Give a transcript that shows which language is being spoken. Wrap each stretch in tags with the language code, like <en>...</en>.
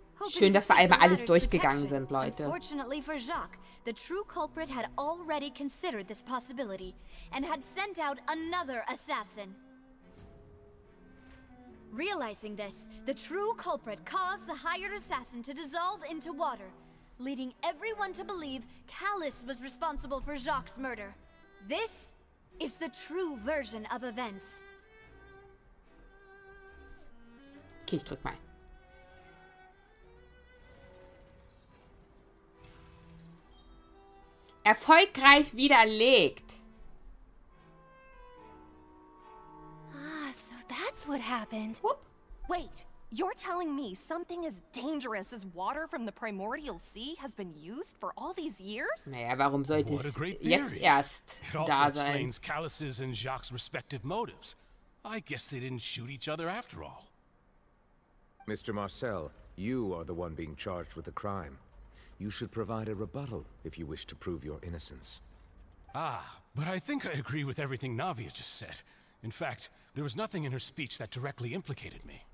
<de>Schön, dass wir einmal alles durchgegangen sind, Leute.</de> <en>Unfortunately for Jacques, the true culprit had already considered this possibility and had sent out another assassin. Realizing this, the true culprit caused the hired assassin to dissolve into water. Leading everyone to believe Kallas was responsible for Jacques' murder. This is the true version of events.</en> <de>Okay, ich drück mal. Erfolgreich widerlegt.</de> <en>Ah, so that's what happened. Whoop. Wait. You're telling me something as dangerous as water from the primordial sea has been used for all these years?</en> <de>Naja, warum sollte es jetzt erst da sein?</de> <en>It also explains Kallas' and Jacques' respective motives. I guess they didn't shoot each other after all. Mr. Marcel, you are the one being charged with the crime. You should provide a rebuttal if you wish to prove your innocence. Ah, but I think I agree with everything Navia just said. In fact, there was nothing in her speech that directly implicated me.</en>